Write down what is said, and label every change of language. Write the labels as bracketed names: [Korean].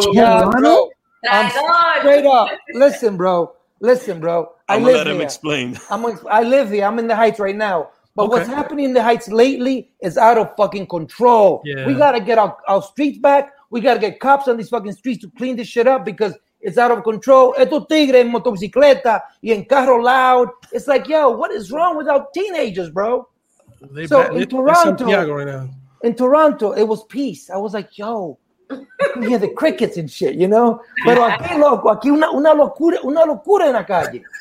[English] Straight up. Listen, bro. I'm going to let him explain. I live here. I'm in the Heights right now. But what's happening in the Heights lately is out of fucking control. Yeah. We got to get our streets back. We got to get cops on these fucking streets to clean this shit up because it's out of control. [Spanish] Estos tigres en motocicleta y en carro loud. [English] It's like, yo, what is wrong with our teenagers, bro? In Toronto, it was peace. I was like, yo, we hear the crickets and shit, you know? [Spanish] Pero aquí, loco, aquí una locura en la calle.